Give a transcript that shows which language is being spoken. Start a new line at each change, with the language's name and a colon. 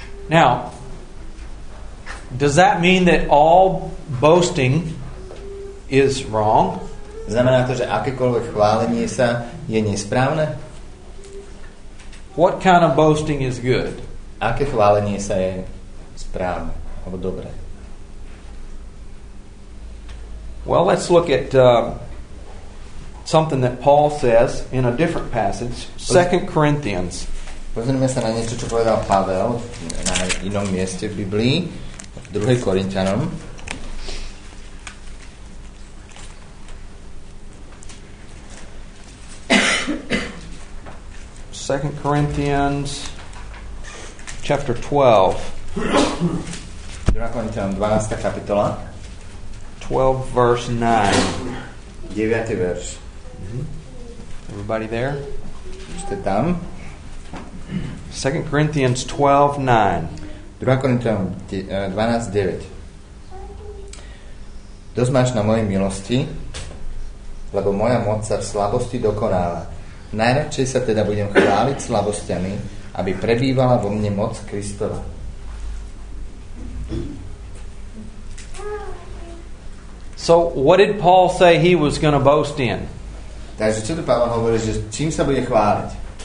English: Now, does that mean that all boasting is wrong?
Slovak: Znamená to, že akékoľvek chválenie sa je nesprávne?
English: What kind of boasting is good?
Slovak: Aké chválenie sa je správne alebo dobré?
English: Well, let's look at something that Paul says in a different passage, 2 Corinthians.
Slovak: Pozrieme sa na niečo, čo povedal Pavel na inom mieste v Biblii. 2. Korintianom.
English: Second Corinthians chapter 12.
Slovak: 2. Korintianom 12. kapitola.
English: 12 verse 9.
Slovak: 9. verš.
English: Everybody there?
Slovak: Ste tam?
English: 2. Corinthians 12:9.
Slovak: 2. Korintianom 12:9. Dosť máš na mojej milosti, lebo moja moc sa v slabosti dokonáva. Najradšej sa teda budem chváliť slabosťami, aby prebývala vo mne moc Kristova.
English: So, what did Paul say he was going to boast in?
Slovak: Takže čo tu Pavel hovorí, že čím sa bude chváliť?